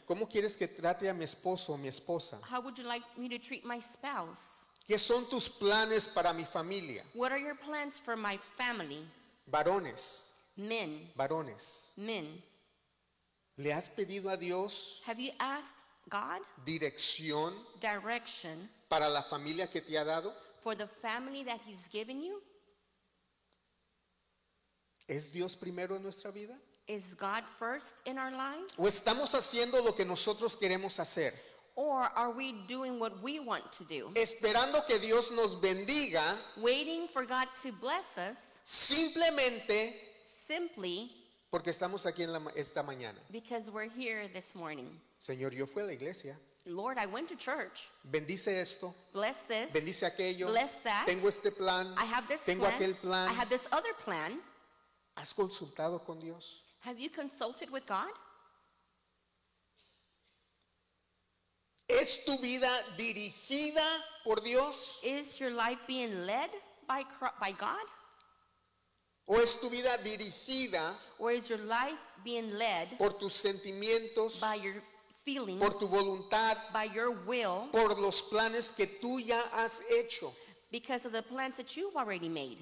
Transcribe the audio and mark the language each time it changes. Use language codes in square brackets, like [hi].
[es] ¿Cómo quieres que trate a mi esposo o mi esposa? [en] How would you like me to treat my spouse? [es] ¿Qué son tus planes para mi familia? [en] What are your plans for my family? [es] Varones. [en] Men. [es] Varones. [en] Men. [es] ¿Le has pedido a Dios? [en] Have you asked God? [es] Dirección. [en] Direction. [es] Para la familia que te ha dado. [en] For the family that He's given you. [es] ¿Es Dios primero en nuestra vida? [en] Is God first in our lives? [es] ¿O estamos haciendo lo que nosotros queremos hacer? [en] Or are we doing what we want to do? [es] Esperando que Dios nos bendiga. [en] Waiting for God to bless us. [es] Simplemente. [en] Simply. [es] Porque estamos aquí en esta mañana. [en] Because we're here this morning. [es] Señor, yo fui a la iglesia. [en] Lord, I went to church. [es] Bendice esto. [en] Bless this. [es] Bendice aquello. [en] Bless that. [es] Tengo este plan. [en] I have this [es] Tengo [en] plan. [es] Aquel plan. [en] I have this other plan. [es] ¿Has consultado con Dios? [en] Have you consulted with God? [es] ¿Es tu vida dirigida por Dios? [en] Is your life being led by God? [es] ¿O es tu vida dirigida por tus sentimientos, [en] by your feelings, [es] por tu voluntad, [en] by your will, [es] por los planes que tú ya has hecho? [en] Because of the plans that you've already made.